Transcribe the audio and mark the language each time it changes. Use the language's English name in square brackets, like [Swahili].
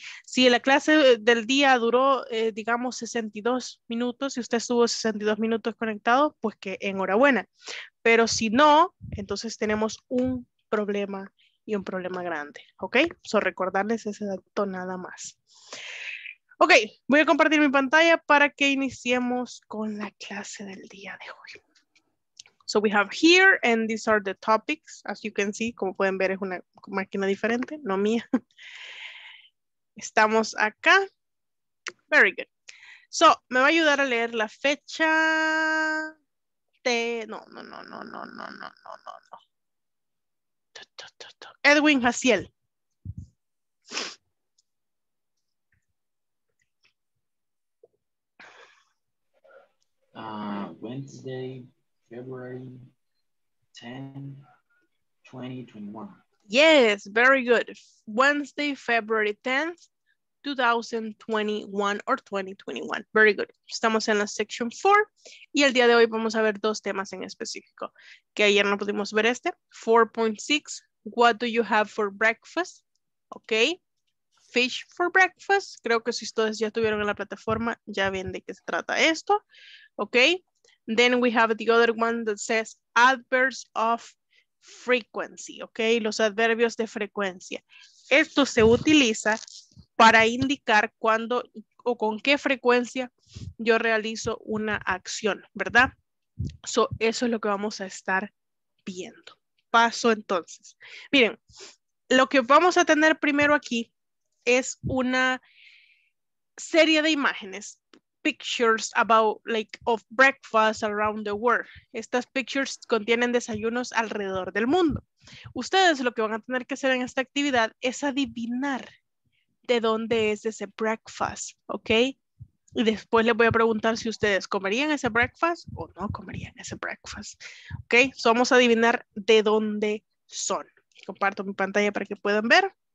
[Spanish] Si la clase del día duró, digamos, 62 minutos, si usted estuvo 62 minutos conectado, pues que enhorabuena. Pero si no, entonces tenemos un problema y un problema grande, ¿ok? So, recordarles ese dato nada más. Ok, voy a compartir mi pantalla para que iniciemos con la clase del día de hoy. [English] So we have here, and these are the topics. As you can see, [Spanish] como pueden ver, es una máquina diferente, no mía. Estamos acá. [English] Very good. [Spanish] So, me va a ayudar a leer la fecha de... No. Edwin Jaciel. [English] Wednesday... February 10th, 2021. Yes, very good. Wednesday, February 10th, 2021. Very good. [Spanish] Estamos en la section 4 y el día de hoy vamos a ver dos temas en específico. Que ayer no pudimos ver este. [English] 4.6, what do you have for breakfast? Ok. Fish for breakfast. [Spanish] Creo que si ustedes ya estuvieron en la plataforma, ya ven de qué se trata esto. [English] Ok. Then we have the other one that says adverbs of frequency, ¿ok? [Spanish] Los adverbios de frecuencia. Esto se utiliza para indicar cuándo o con qué frecuencia yo realizo una acción, ¿verdad? So, eso es lo que vamos a estar viendo. Paso entonces. Miren, lo que vamos a tener primero aquí es una serie de imágenes. [English] Pictures about, like, of breakfast around the world. [Spanish] Estas pictures contienen desayunos alrededor del mundo. Ustedes lo que van a tener que hacer en esta actividad es adivinar de dónde es ese breakfast, ¿ok? Y después les voy a preguntar si ustedes comerían ese breakfast o no comerían ese breakfast, ¿ok? So vamos a adivinar de dónde son. Comparto mi pantalla para que puedan ver.